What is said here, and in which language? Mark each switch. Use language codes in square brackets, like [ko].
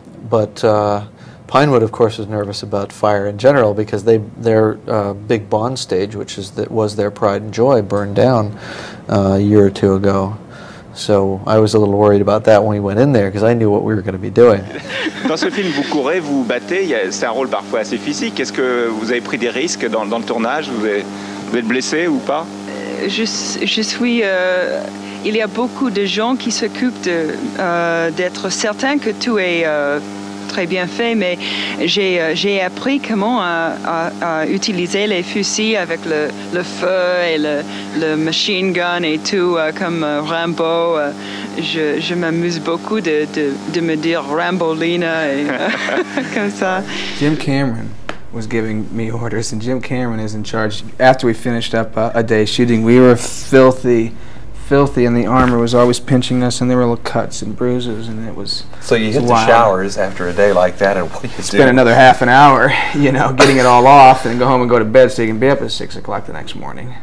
[en] But Pinewood, of course, was nervous about fire in general because their big Bond stage, which is was their pride and joy, burned down a year or two ago. So I was a little worried about that when we went in there, because I knew what we were going to be doing. [fr] Dans ce film, vous courez, vous battez. C'est un rôle parfois assez physique. Est-ce que vous avez pris des risques dans le tournage? Vous êtes blessé ou pas? Je suis. Il y a beaucoup de gens qui s'occupent d'être certains que tout est très bien fait, mais j'ai appris comment à utiliser les fusils avec le feu et le machine gun et tout, comme Rambo. Je m'amuse beaucoup de me dire Rambolina et comme ça. [en] Jim Cameron was giving me orders, and Jim Cameron is in charge. After we finished up a day shooting, we were filthy, and the armor was always pinching us, and there were little cuts and bruises, and it was so you hit wild. The showers after a day like that, and what do you do? Spend another half an hour, you know, getting it all off, and go home and go to bed so you can be up at 6 o'clock the next morning.